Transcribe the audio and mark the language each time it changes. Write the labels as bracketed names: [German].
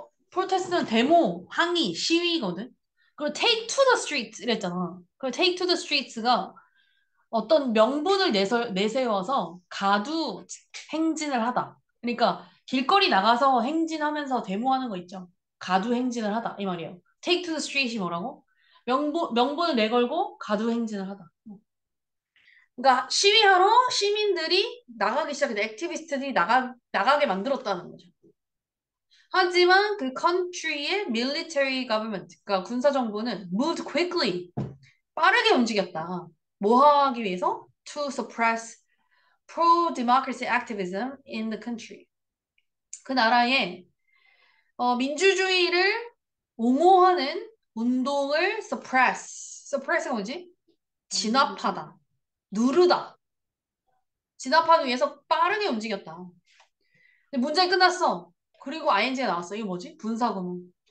[Korean] protest는 데모, 항의, 시위거든. [English] 그리고 take to the streets [Korean] 이랬잖아. 그리고 [English] take to the streets [Korean] 가 어떤 명분을 내세워서 가두 행진을 하다. 그러니까 길거리 나가서 행진하면서 데모하는 거 있죠. 가두 행진을 하다. 이 말이에요. [English] take to the street이 [Korean] 뭐라고? 명분을 내걸고 가두 행진을 하다. 그러니까 시위하러 시민들이 나가기 시작했다. 액티비스트들이 나가게 만들었다는 거죠. 하지만 그 country의 [English] military government, [Korean] 그러니까 군사정부는 [English] moved quickly, [Korean] 빠르게 움직였다. 뭐 하기 위해서? [English] To suppress pro-democracy activism in the country. [Korean] 그 나라의 민주주의를 옹호하는 운동을 suppress가 뭐지? 진압하다, 누르다. 진압하기 위해서 빠르게 움직였다. 근데 문장이 끝났어. 그리고 ING가 나왔어. 이거 뭐지? 분사구문.